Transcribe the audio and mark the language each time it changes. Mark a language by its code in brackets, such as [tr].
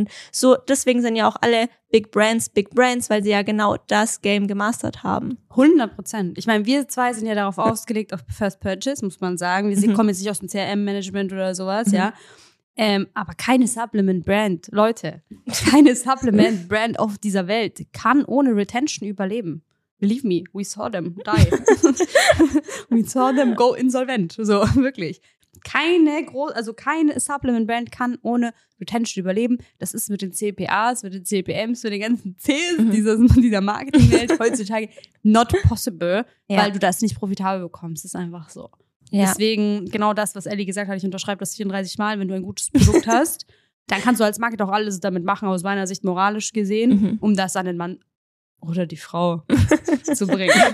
[de] Und so, deswegen sind ja auch alle Big Brands, weil sie ja genau das Game gemastert haben. 100%. Ich meine, wir zwei sind ja darauf ausgelegt, auf First Purchase, muss man sagen. Wir kommen jetzt nicht aus dem CRM-Management oder sowas, ja. Aber keine Supplement-Brand, Leute, keine Supplement-Brand auf dieser Welt kann ohne Retention überleben. [en] Believe me, we saw them die. We saw them go insolvent. [de] So, wirklich. Keine Supplement-Brand kann ohne Retention überleben. Das ist mit den CPAs, mit den CPMs, mit den ganzen Cs dieser Marketingwelt heutzutage [en] not possible, [de] ja, weil du das nicht profitabel bekommst. Das ist einfach so. Ja. Deswegen genau das, was Ellie gesagt hat, ich unterschreibe das 34 Mal, wenn du ein gutes Produkt hast, dann kannst du als Marketer auch alles damit machen, aus meiner Sicht moralisch gesehen, um das an den Mann oder die Frau zu bringen.